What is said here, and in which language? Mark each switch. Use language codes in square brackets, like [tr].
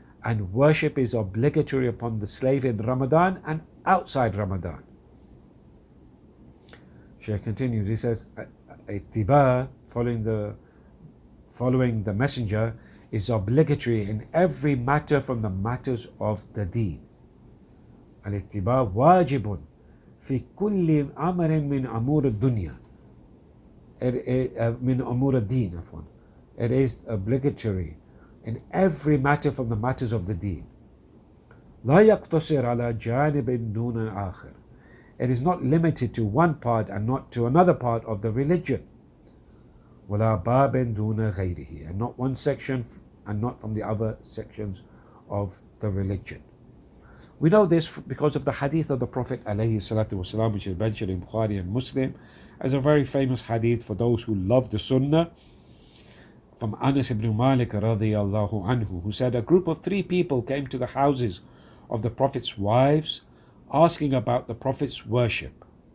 [en] And worship is obligatory upon the slave in Ramadan and outside Ramadan. Shaykh continues, he says, Ittiba, following the messenger, is obligatory in every matter from the matters of the deen. [ar] Al-Ittiba wajibun. في كل أمر من أمور الدنيا من أمور الدين أفوان. [en] It is obligatory in every matter from the matters of the deen. [ar] لا يقتصر على جانب دون آخر. [en] It is not limited to one part and not to another part of the religion. [ar] ولا باب دون غيره. [en] And not one section and not from the other sections of the religion. We know this because of the hadith of the Prophet alayhi salatu wasalam, which is mentioned in Bukhari and Muslim as a very famous hadith for those who love the sunnah, from Anas ibn Malik radiallahu anhu, who said a group of three people came to the houses of the Prophet's wives asking about the Prophet's worship.